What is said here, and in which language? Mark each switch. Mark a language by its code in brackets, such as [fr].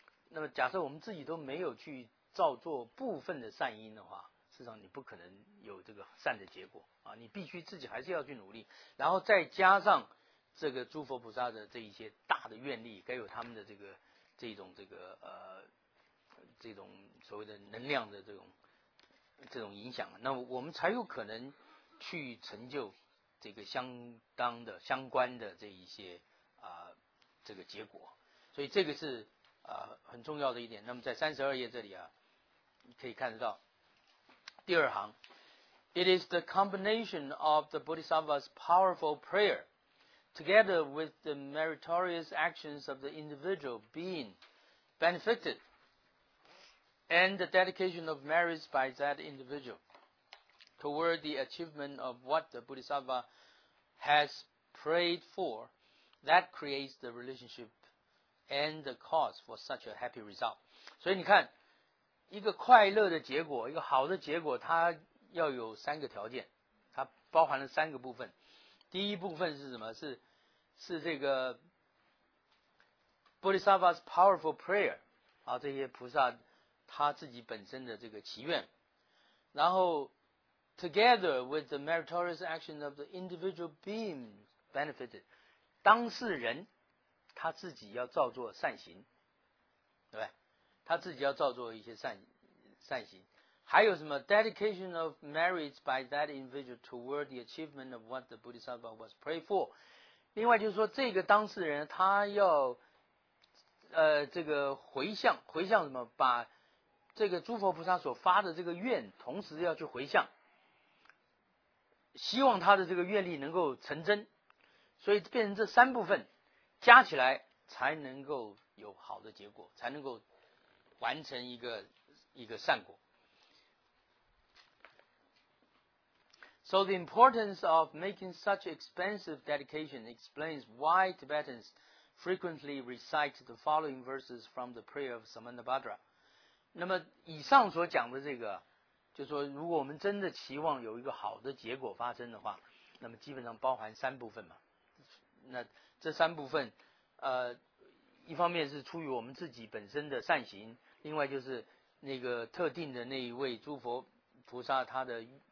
[zh] 那么假设我们自己都没有去造作部分的善因的话，至少你不可能有这个善的结果啊，你必须自己还是要去努力，然后再加上这个诸佛菩萨的这一些大的愿力，该有他们的这个这种这个这种所谓的能量的这种影响，那我们才有可能去成就这个相当的相关的这一些这个结果。所以这个是很重要的一点。那么在32页这里啊，你可以看得到第二行， [en] It is the combination of the Bodhisattva's powerful prayer together with the meritorious actions of the individual being benefited and the dedication of merits by that individual toward the achievement of what the Bodhisattva has prayed for that creates the relationship and the cause for such a happy result. [zh] 所以你看一个快乐的结果，一个好的结果，它要有三个条件，它包含了三个部分。第一部分是什么？是这个 [en] Bodhisattva's powerful prayer [zh] 啊，这些菩萨他自己本身的这个祈愿，然后 [en] together with the meritorious action of the individual being benefited, [zh] 当事人他自己要造作善行，对吧？他自己要造作一些善行，还有什么 [en] dedication of merits by that individual toward the achievement of what the Bodhisattva was prayed for。 [zh] 另外就是说，这个当事人他要这个回向什么？把这个诸佛菩萨所发的这个愿，同时要去回向，希望他的这个愿力能够成真，所以变成这三部分加起来才能够有好的结果，才能够完成一个善果。 [en] So the importance of making such expensive dedication explains why Tibetans frequently recite the following verses from the prayer of Samanabhadra. [zh] 那么以上所讲的这个，就是说如果我们真的期望有一个好的结果发生的话，那么基本上包含三部分嘛。那这三部分一方面是出于我们自己本身的善行，另外就是那个特定的那一位诸佛菩萨他的